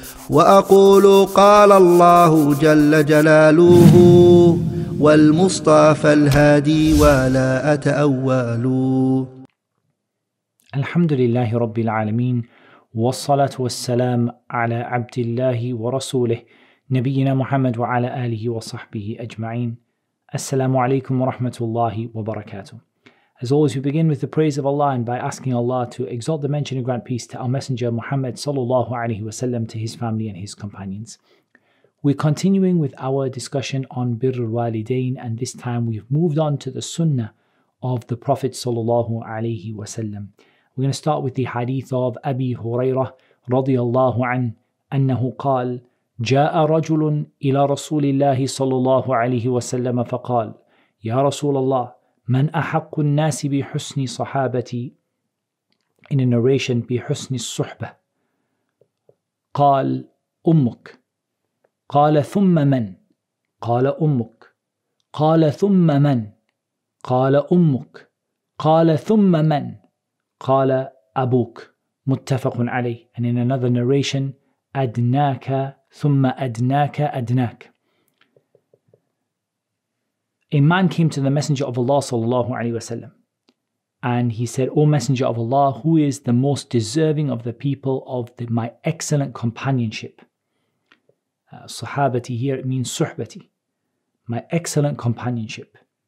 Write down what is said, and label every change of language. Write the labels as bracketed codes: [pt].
[ar] وأقول قال الله جل جلاله والمصطفى الهادي ولا أتأول. الحمد لله رب العالمين والصلاة والسلام على عبد الله ورسوله نبينا محمد وعلى آله وصحبه أجمعين. Assalamu alaikum wa rahmatullahi wa barakatuh. [en] As always, we begin with the praise of Allah and by asking Allah to exalt the mention and grant peace to our Messenger Muhammad sallallahu alaihi wasallam, to his family and his companions. We're continuing with our discussion on birrul walidain, and this time we've moved on to the sunnah of the Prophet sallallahu alaihi wasallam. We're going to start with the hadith [ar] of Abi Hurairah radiyallahu an, annahu qal, جاء رجل إلى رسول الله صلى الله عليه وسلم فقال يا رسول الله من أحق الناس بحسن صحابتي. [en] In a narration, [ar] بحسن الصحبة. قال أمك. قال ثم من. قال أمك. قال ثم من. قال أمك. قال ثم من. قال أبوك. متفق عليه. [en] And in another narration, [ar] أدناك ثم أدناك أدناك. [en] A man came to the Messenger of Allah sallallahu alaihi wasallam, and he said, O Messenger of Allah, who is the most deserving of the people of my excellent companionship? Sahabati here, it means suhbati, my excellent companionship.